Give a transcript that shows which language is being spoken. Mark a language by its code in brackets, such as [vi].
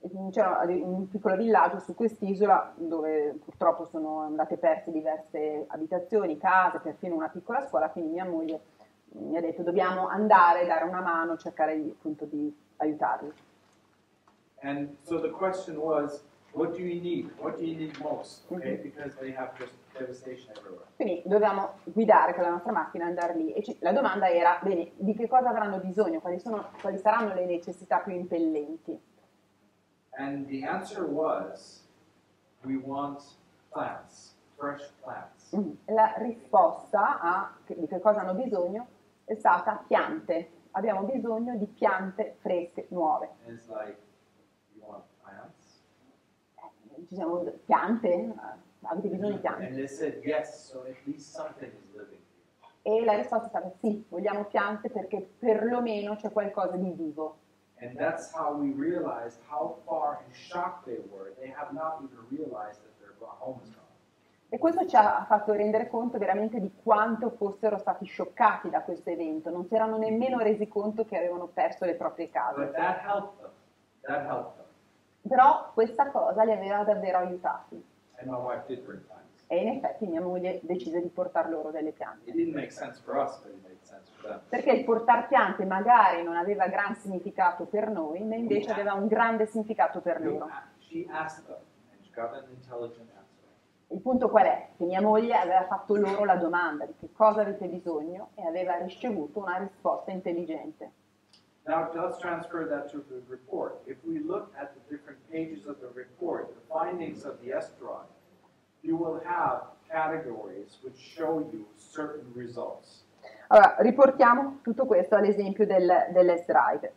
[it] C'era un piccolo villaggio su quest'isola dove purtroppo sono andate perse diverse abitazioni, case, perfino una piccola scuola, quindi mia moglie mi ha detto dobbiamo andare, dare una mano, cercare di, appunto, di aiutarli. [en] And so the question was, what do you need? What do you need most? Okay? Mm-hmm. Because they have just devastation everywhere. [it] Quindi dovevamo guidare con la nostra macchina, andare lì. E la domanda era, bene, di che cosa avranno bisogno? Quali saranno le necessità più impellenti? [en] And the answer was, we want plants, fresh plants. [it] La risposta a di che cosa hanno bisogno è stata piante. Abbiamo bisogno di piante fresche, nuove. [en] It's like, you want plants? [it] Ci siamo, piante? Avete bisogno di piante? [en] And they said, yes, so at least something is living. [it] E la risposta è stata, sì, vogliamo piante perché perlomeno c'è qualcosa di vivo. [en] And that's how we realized how far in shock they were. They have not even realized that their home is gone. [it] E questo ci ha fatto rendere conto veramente di quanto fossero stati scioccati da questo evento. Non si erano nemmeno resi conto che avevano perso le proprie case. [en] But that helped them. That helped them. [it] Però questa cosa li aveva davvero aiutati. [en] And my wife did bring plants. [it] E in effetti mia moglie decise di portar loro delle piante. [en] It didn't make sense for us, but it made sense for them. [it] Perché il portare piante magari non aveva gran significato per noi, ma invece aveva un grande significato per loro. [en] She asked them, and she got an intelligent answer. [it] Il punto qual è? Che mia moglie aveva fatto loro la domanda di che cosa avete bisogno e aveva ricevuto una risposta intelligente. [en] Now let's transfer that to the report. If we look at the different pages of the report, the findings of the Estron, you will have categories which show you certain results. [it] Allora, riportiamo tutto questo all'esempio dell'S-Drive.